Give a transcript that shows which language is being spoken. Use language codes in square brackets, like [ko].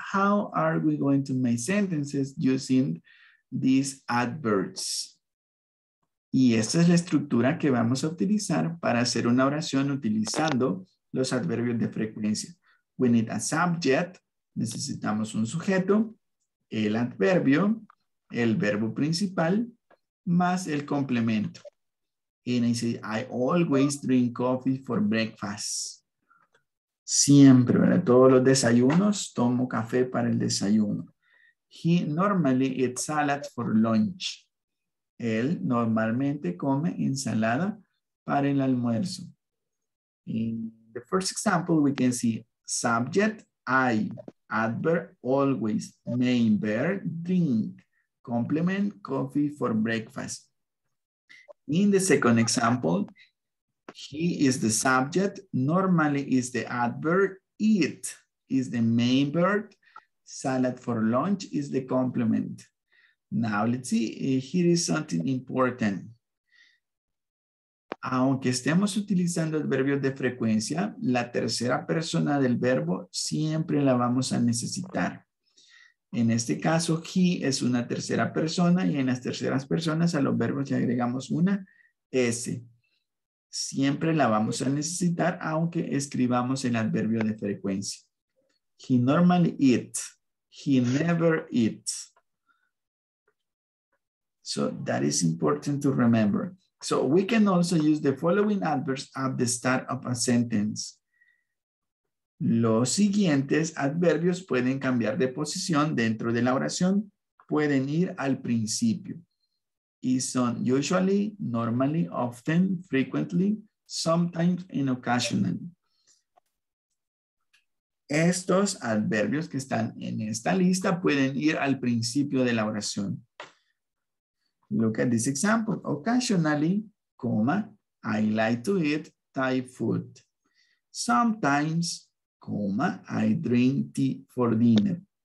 [en] How are we going to make sentences using these adverbs? [es] Y esta es la estructura que vamos a utilizar para hacer una oración utilizando los adverbios de frecuencia. [en] We need a subject. [es] Necesitamos un sujeto. El adverbio. El verbo principal. Más el complemento. [en] And I say, I always drink coffee for breakfast. [es] Siempre, ¿verdad? Todos los desayunos, tomo café para el desayuno. [en] He normally eats salad for lunch. [es] Él normalmente come ensalada para el almuerzo. [en] In the first example, we can see subject, I, adverb, always, main verb, drink, complement, coffee for breakfast. In the second example, he is the subject, normally is the adverb, eat is the main verb, salad for lunch is the complement. Now let's see, here is something important. [es] Aunque estemos utilizando adverbios de frecuencia, la tercera persona del verbo siempre la vamos a necesitar. En este caso, he es una tercera persona y en las terceras personas a los verbos le agregamos una S. Siempre la vamos a necesitar, aunque escribamos el adverbio de frecuencia. [en] He normally eats. He never eats. So that is important to remember. So we can also use the following adverbs at the start of a sentence. [es] Los siguientes adverbios pueden cambiar de posición dentro de la oración. Pueden ir al principio. Y son usually, normally, often, frequently, sometimes, and occasionally. Estos adverbios que están en esta lista pueden ir al principio de la oración. [en] Look at this example. Occasionally, comma, I like to eat Thai food. Sometimes, comma, I drink tea for dinner.